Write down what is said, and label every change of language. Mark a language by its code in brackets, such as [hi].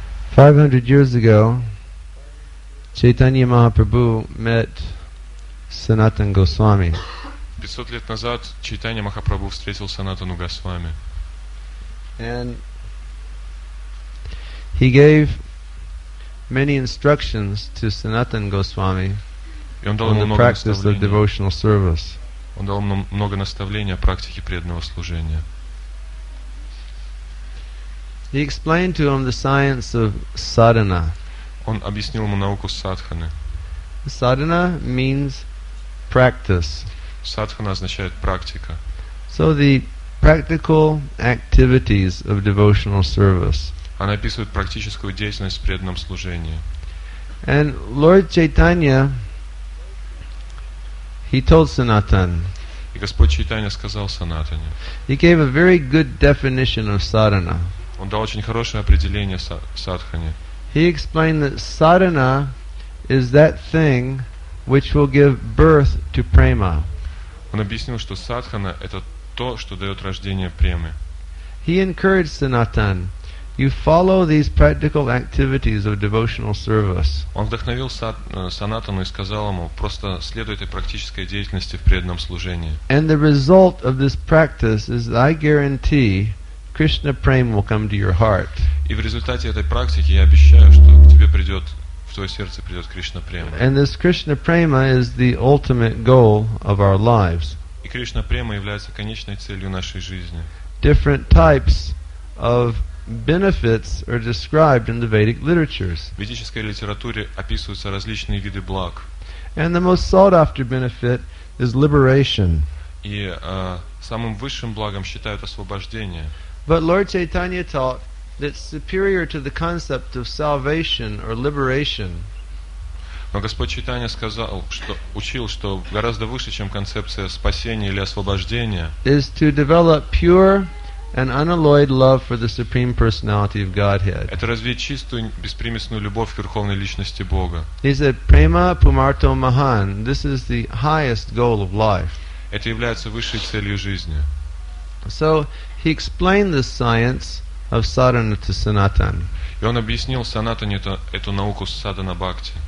[en] Five hundred years ago, Chaitanya Mahaprabhu met Sanatan Goswami. [ru] 500 лет назад Чайтанья Махапрабху встретил Санатану Госвами. [en] And he gave many instructions to Sanatan Goswami on the practice of devotional service. [ru] Он дал ему много наставлений о практике преданного служения. [en] He explained to him the science of sadhana. [ru] Он объяснил ему науку садханы. [en] Sadhana means practice. [ru] Садхана означает практика. [en] So the practical activities of devotional service. [ru] Она описывает практическую деятельность в преданном служении. [en] And Lord Chaitanya, he told Sanatan. [ru] И Господь Чайтанья сказал Санатане. [en] He gave a very good definition of sadhana. [ru] Он дал очень хорошее определение садхане. [en] He explained that sadhana is that thing which will give birth to prema. [ru] Он объяснил, что садхана это то, что дает рождение премы. [en] He encouraged Sanatan, you follow these practical activities of devotional service. [ru] Он вдохновил Санатану и сказал ему, просто следуй этой практической деятельности в преданном служении. [en] And the result of this practice is that I guarantee Krishna prema will come to your heart. [ru] И в результате этой практики я обещаю, что к тебе придет в твое сердце придет Кришна према. [en] And this Krishna prema is the ultimate goal of our lives. [ru] И Кришна према является конечной целью нашей жизни. [en] Different types of benefits are described in the Vedic literatures. [ru] В ведической литературе описываются различные виды благ. [en] And the most sought after benefit is liberation. [ru] И самым высшим благом считают освобождение. [en] But Lord Chaitanya taught that superior to the concept of salvation or liberation. [ru] Но Господь Чайтанья сказал, что учил, что гораздо выше, чем концепция спасения или освобождения. [en] Is to develop pure and unalloyed love for the supreme personality of Godhead. [ru] Это развить чистую, беспримесную любовь к верховной личности Бога. [en] He said, [sa] "Prema pumarto mahan." [en] This is the highest goal of life. [ru] Это является высшей целью жизни. [en] So he explained this science of sadhana to Sanatan. [ru] И он объяснил Санатане эту науку садхана бхакти.